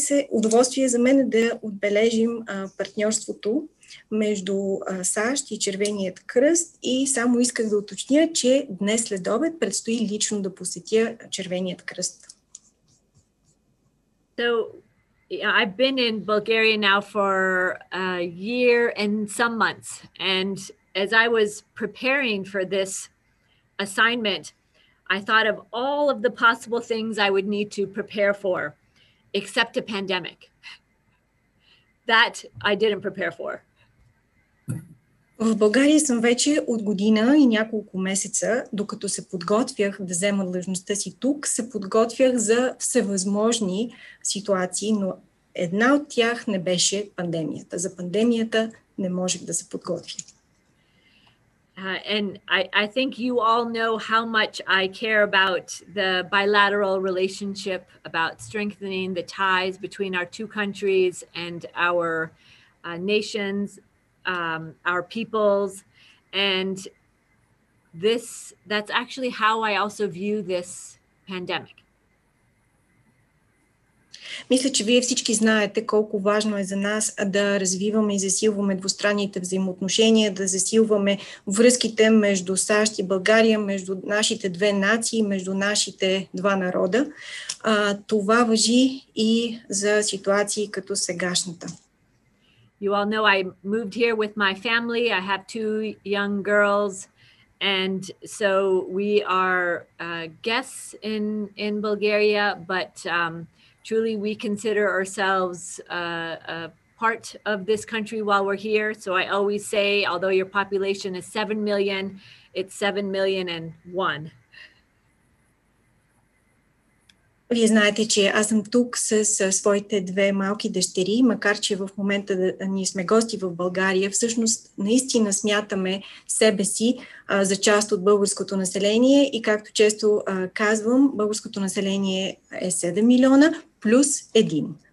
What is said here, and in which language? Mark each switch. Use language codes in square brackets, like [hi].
[bg] Удоволствие за мен е да отбележим партньорството между САЩ и Червеният кръст и само исках да уточня, че днес след обед предстои лично да посетя Червеният кръст. [en] So, I've been in Bulgaria now for a year and some months. And as I was preparing for this assignment, I thought of all of the possible things I would need to prepare for, except a pandemic. That I didn't prepare for. [bg] В България съм вече от година и няколко месеца, докато се подготвях да взема длъжността си тук, се подготвях за всевъзможни ситуации, но една от тях не беше пандемията. За пандемията не можех да се подготвя. [en] And I think you all know how much I care about the bilateral relationship, about strengthening the ties between our two countries and our nations. Our peoples, and that's actually how I also view this pandemic. [bg] Мисля, че вие всички знаете колко важно е за нас да развиваме и засилваме двустранните взаимоотношения, да засилваме връзките между САЩ и България, между нашите две нации, между нашите два народа. Това важи и за ситуации като сегашната. [en] You all know I moved here with my family. I have two young girls, and so we are guests in Bulgaria, but truly we consider ourselves a part of this country while we're here. So I always say, although your population is 7 million, it's 7 million and one. [bg] Вие знаете, че аз съм тук с своите две малки дъщери, макар че в момента ние сме гости в България, всъщност наистина смятаме себе си за част от българското население и както често казвам, българското население е 7 милиона плюс един.